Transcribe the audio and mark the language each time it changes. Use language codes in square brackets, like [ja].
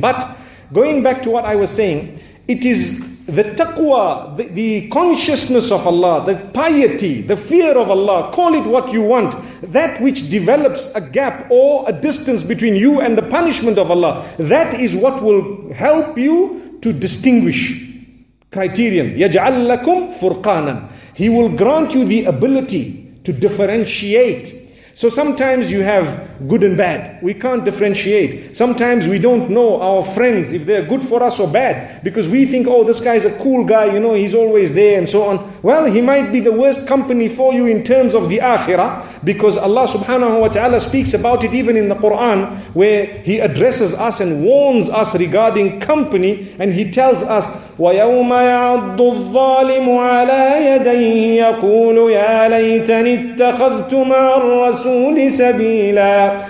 [en] But going back to what I was saying, it is the taqwa, the consciousness of Allah, the piety, the fear of Allah, call it what you want, that which develops a gap or a distance between you and the punishment of Allah, that is what will help you to distinguish. [ar] Criterion, يَجْعَلْ لَكُمْ فُرْقَانًا. [en] He will grant you the ability to differentiate. So sometimes you have good and bad. We can't differentiate. Sometimes we don't know our friends if they're good for us or bad, because we think, oh, this guy's a cool guy, you know, he's always there and so on. Well, he might be the worst company for you in terms of the akhirah, because Allah subhanahu wa ta'ala speaks about it even in the Quran, where he addresses us and warns us regarding company, and he tells us, [ar] وَيَوْمَ يَعَضُّ الظَّالِمُ عَلَىٰ يَدَيْهِ يَقُولُ يَا لَيْتَنِي اتَّخَذْتُ مَعَ الرَّسُولِ سَبِيلًا